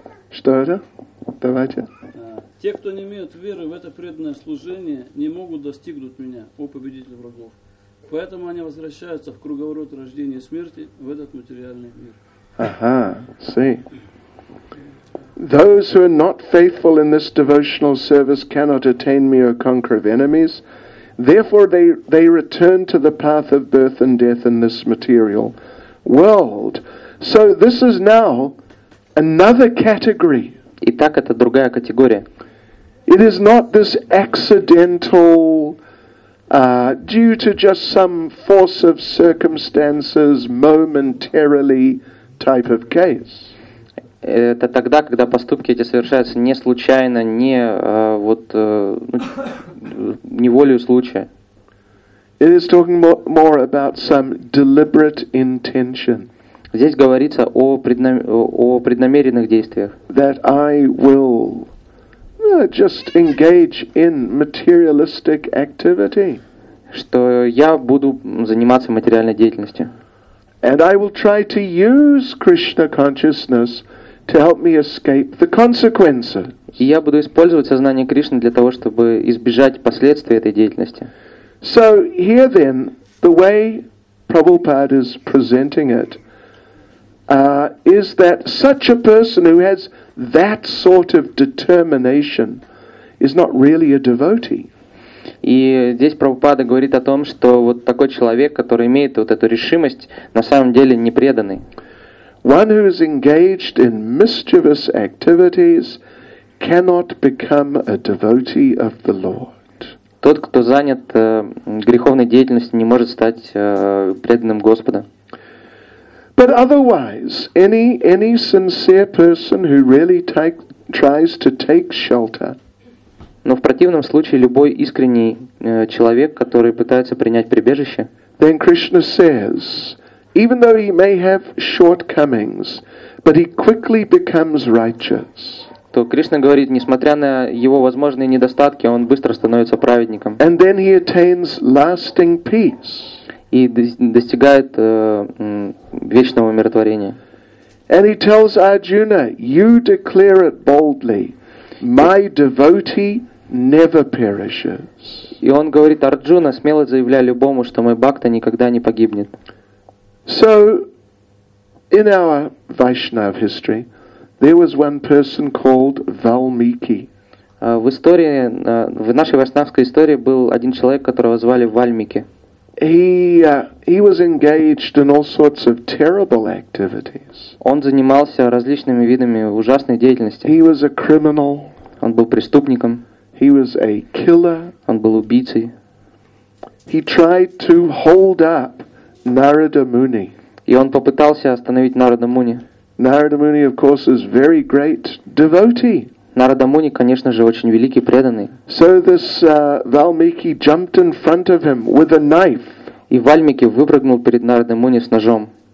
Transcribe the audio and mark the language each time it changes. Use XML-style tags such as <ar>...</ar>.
<ru>Что это? Давайте. Те, кто не имеют веры в это преданное служение, не могут достигнуть меня, о победитель врагов. Поэтому они возвращаются в круговорот рождения и смерти в этот материальный мир. Ага, see.</ru> <en>Those who are not faithful in this devotional service cannot attain me or conquer of enemies. Therefore they return to the path of birth and death in this material world. So this is now another category.</en> <ru>Итак, это другая категория.</ru> <en>It is not this accidental due to just some force of circumstances momentarily type of case.</en> <ru>Это тогда, когда поступки эти совершаются не случайно, не волею случая.</ru> <en>It is talking more about some deliberate intention.</en> <ru>Здесь говорится о преднамеренных действиях.</ru> <en>That I will just engage in materialistic activity.</en> <ru>Что я буду заниматься материальной деятельностью.</ru> <en>And I will try to use Krishna consciousness to help me escape the consequences.</en> <ru>И я буду использовать сознание Кришны для того, чтобы избежать последствий этой деятельности.</ru> <en>So here then, the way Prabhupada is presenting it is that such a person who has that sort of determination is not really a devotee.</en> <ru>И здесь Прабхупада говорит о том, что вот такой человек, который имеет вот эту решимость, на самом деле не преданный.</ru> <en>One who is engaged in mischievous activities cannot become a devotee of the Lord.</en> <ru>Тот, кто занят греховной деятельностью, не может стать преданным Господа.</ru> <en>But otherwise, any sincere person who really tries to take shelter.</en> <ru>Но в противном случае любой искренний человек, который пытается принять прибежище.</ru> <en>Then Krishna says, even though he may have shortcomings, but he quickly becomes righteous.</en> <ru>То Кришна говорит, несмотря на его возможные недостатки, он быстро становится праведником.</ru> <en>And then he attains lasting peace.</en> <ru>И достигает вечного умиротворения.</ru> <en>And he tells Arjuna, you declare it boldly, my devotee never perishes.</en> <ru>И он говорит, Арджуна, смело заявляя любому, что мой бхакта никогда не погибнет.</ru> <en>So, in our Vaishnava history, there was one person called Valmiki.</en> <ru>В истории, в нашей вайшнавской истории был один человек, которого звали Вальмики.</ru> <en>He was engaged in all sorts of terrible activities.</en> <ru>Он занимался различными видами ужасной деятельности.</ru> <en>He was a criminal.</en> <ru>Он был преступником.</ru> <en>He was a killer.</en> <ru>Он был убийцей.</ru> <en>He tried to hold up Narada Muni.</en> <ru>И он попытался остановить Нарада Муни.</ru> <en>Narada Muni, of course, is very great devotee.</en> <ru>Narada Muni, конечно же, очень великий преданный.</ru> <en>So this Valmiki jumped in front of him with a knife.</en> <ru>И Вальмики выпрыгнул перед Нарада Муни с ножом.</ru>